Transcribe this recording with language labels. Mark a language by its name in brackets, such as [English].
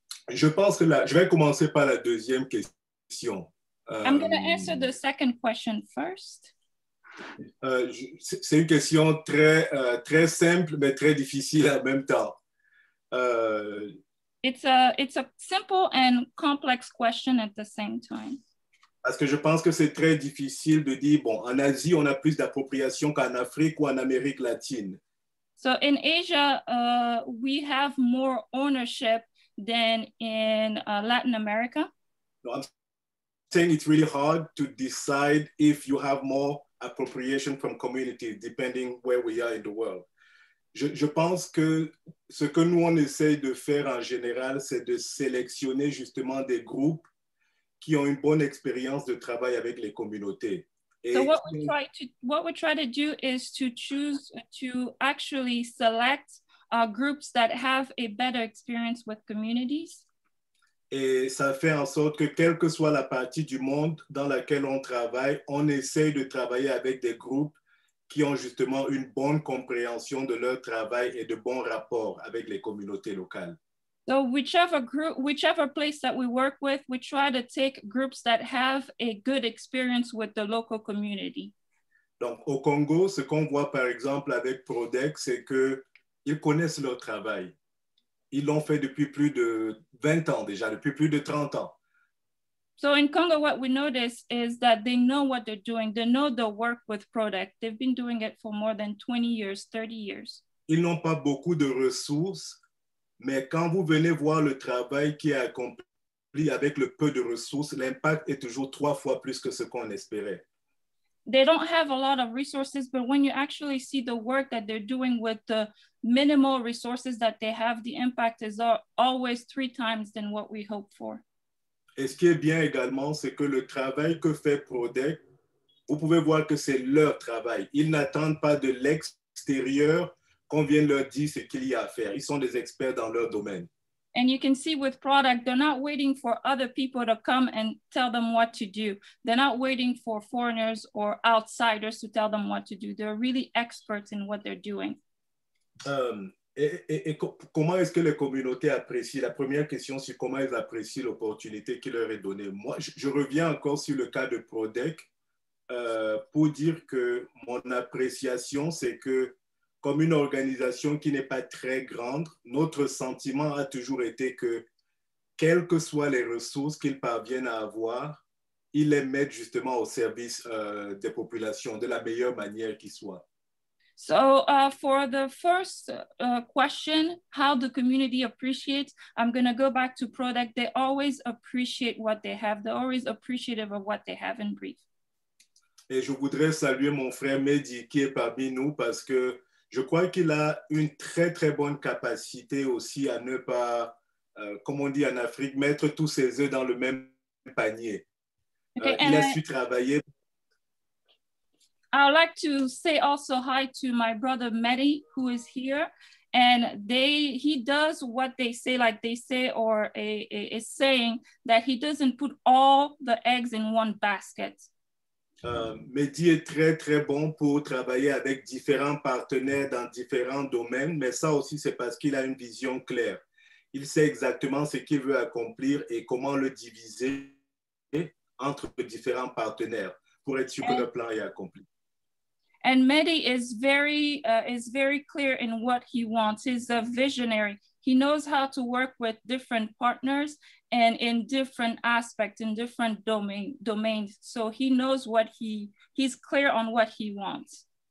[French] Je pense que là, je vais commencer par la deuxième question. [English] I'm going to answer the second question first. [French] C'est une question très, très simple, mais très difficile en même temps. [English] It's a simple and complex question at the same time. [French] Parce que je pense que c'est très difficile de dire, bon, en Asie, on a plus d'appropriation qu'en Afrique ou en Amérique latine. [English] So in Asia, we have more ownership than in Latin America? No, I'm saying it's really hard to decide if you have more appropriation from communities depending where we are in the world. [French] Je pense que ce que nous on essaye de faire en général, c'est de sélectionner justement des groupes qui ont une bonne expérience de travail avec les communautés. [English] So what we try to do is to choose to actually select groups that have a better experience with communities. [French] Et ça fait en sorte que quelle que soit la partie du monde dans laquelle on travaille, on essaye de travailler avec des groupes qui ont justement une bonne compréhension de leur travail et de bons rapports avec les communautés locales. [English] So whichever group, whichever place that we work with, we try to take groups that have a good experience with the local community. [French] Donc au Congo, ce qu'on voit par exemple avec Prodec, c'est que ils connaissent leur travail. Ils l'ont fait depuis plus de 20 ans déjà, depuis plus de 30 ans. [English] So in Congo, what we notice is that they know what they're doing. They know the work with Prodec. They've been doing it for more than 20 years, 30 years. [French] Ils n'ont pas beaucoup de ressources. Mais quand vous venez voir le travail qui est accompli avec le peu de ressources, l'impact est toujours trois fois plus que ce qu'on espérait. [English] They don't have a lot of resources, but when you actually see the work that they're doing with the minimal resources that they have, the impact is always three times than what we hope for. [French] Et ce qui est bien également, c'est que le travail que fait Prodec, vous pouvez voir que c'est leur travail. Ils n'attendent pas de l'extérieur qu'on vient leur dire ce qu'il y a à faire. Ils sont des experts dans leur domaine. [English] And you can see with product, they're not waiting for other people to come and tell them what to do. They're not waiting for foreigners or outsiders to tell them what to do. They're really experts in what they're doing. [French] Comment est-ce que les communautés apprécient? La première question, c'est comment ils apprécient l'opportunité qui leur est donnée. Moi, je reviens encore sur le cas de Prodec pour dire que mon appréciation, c'est que comme une organisation qui n'est pas très grande, notre sentiment a toujours été que, quelles que soient les ressources qu'ils parviennent à avoir, ils les mettent justement au service des populations de la meilleure manière qui soit. [English] So for the first question, how the community appreciates, I'm going to go back to Prodec. They always appreciate what they have. They're always appreciative of what they have in brief. [French] Et je voudrais saluer mon frère Mehdi qui est parmi nous parce que je crois qu'il a une très, très bonne capacité aussi à ne pas, comme on dit en Afrique, mettre tous ses œufs dans le même panier. Okay, il a su travailler. [English] I would like to say also hi to my brother Mehdi, who is here. And he does what they say, like they say, or a saying, that he doesn't put all the eggs in one basket. [French] Mehdi est très, très bon pour travailler avec différents partenaires dans différents domaines, mais ça aussi, c'est parce qu'il a une vision claire. Il sait exactement ce qu'il veut accomplir et comment le diviser entre différents partenaires pour être sûr que le plan est accompli. [English] And Mehdi is very clear in what he wants. He's a visionary. He knows how to work with different partners and in different aspects, in different domains. So he knows what he's clear on what he wants.